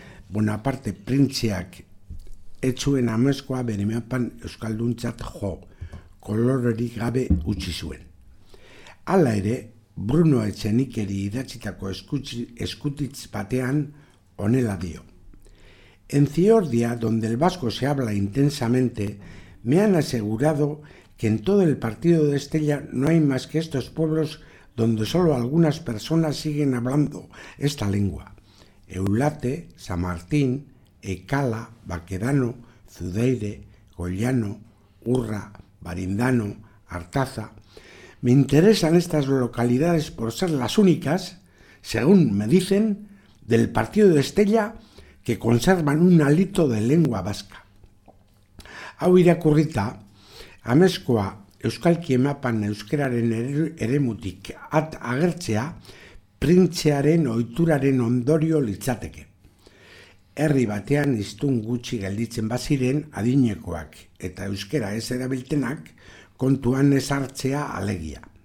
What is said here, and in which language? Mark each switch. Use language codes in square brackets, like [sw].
[eu] Bonaparte printziak etzuen amezkoa beremapan euskalduntzat jo, kolorerik gabe utzi zuen. Hala ere, Bruno Etxenikeri idatzitako eskutitz batean honela dio. [es] En Ciordia, donde el vasco se habla intensamente, me han asegurado que en todo el partido de Estella no hay más que estos pueblos donde solo algunas personas siguen hablando esta lengua. Eulate, San Martín, Ekala, Baquedano, Zudeire, Goyano, Urra, Barindano, Artaza. Me interesan estas localidades por ser las únicas, según me dicen, del partido de Estella que conservan un alito de lengua vasca. [eu] Hau irakurrita, amezkoa euskalki emapan euskararen eremutik at agertzea, printzearen ohituraren ondorio litzateke. Herri batean hiztun gutxi gelditzen baziren adinekoak eta euskara ez erabiltenak kontuan ez hartzea alegia.